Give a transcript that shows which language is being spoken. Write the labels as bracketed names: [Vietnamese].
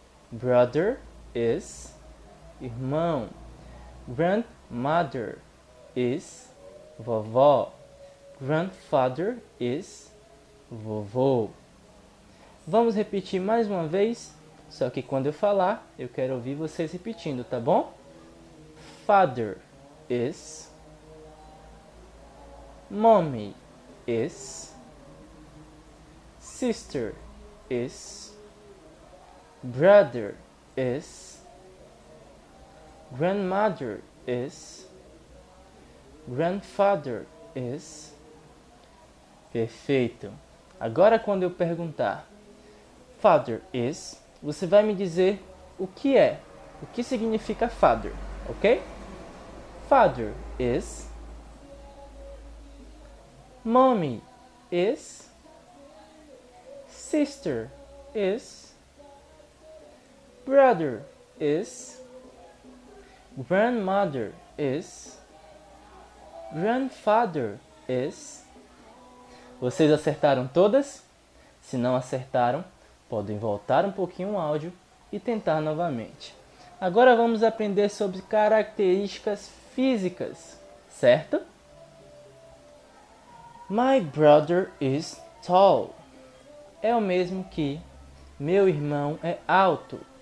[English] Brother is irmão. Grandmother is vovó. Grandfather is vovô. [Portuguese] Vamos repetir mais uma vez, só que quando eu falar, eu quero ouvir vocês repetindo, tá bom? [English] Father is, mommy is, sister is, brother is, grandmother is, grandfather is. [Portuguese] Perfeito. Agora quando eu perguntar, [English] father is, [Portuguese] você vai me dizer o que é, o que significa father, ok? [English] Father is, mommy is, sister is, brother is, grandmother is, grandfather is. [Portuguese] Vocês acertaram todas? Se não acertaram, podem voltar um pouquinho o áudio e tentar novamente. Agora vamos aprender sobre características físicas, certo? [English] My brother is tall. [Portuguese] É o mesmo que meu irmão é alto.